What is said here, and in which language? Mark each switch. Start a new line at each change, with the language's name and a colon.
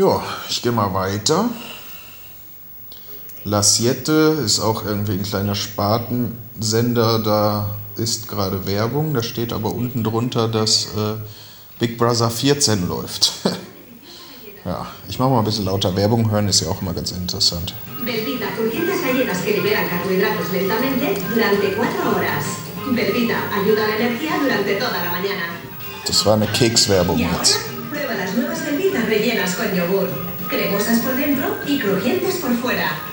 German: Ja, ich gehe mal weiter. La Siete ist auch irgendwie ein kleiner Spartensender, da ist gerade Werbung, da steht aber unten drunter, dass Big Brother 14 läuft. Ja, ich mache mal ein bisschen lauter. Werbung hören ist ja auch immer ganz interessant.
Spanish: Bendita, con dietas galletas que liberan carbohidratos lentamente durante 4 horas. Bendita, ayuda a la energía durante toda la mañana.
German: Das war eine Kekswerbung jetzt.
Spanish: Prueba las nuevas Benditas rellenas con yogur. Cremosas por dentro y crujientes por fuera.